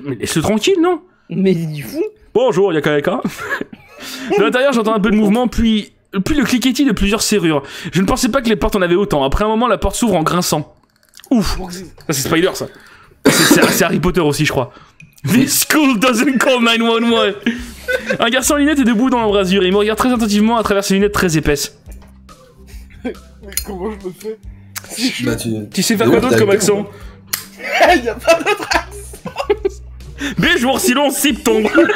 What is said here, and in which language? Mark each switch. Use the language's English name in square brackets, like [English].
[French] Mais laisse-le tranquille, non ? Mais il est fou ! Bonjour, il y a quelqu'un. De l'intérieur, j'entends un peu de mouvement, puis le cliquetis de plusieurs serrures. Je ne pensais pas que les portes en avaient autant. Après un moment, la porte s'ouvre en grinçant. Ouf ! Ça, c'est Spider, ça. C'est Harry Potter aussi, je crois. [English] This school doesn't call 911. [French] Un garçon en lunettes est debout dans l'embrasure et il me regarde très attentivement à travers ses lunettes très épaisses. Mais comment je me fais? Tu sais faire quoi d'autre comme accent? Il y a pas d'autre accent. Béjour silon septembre.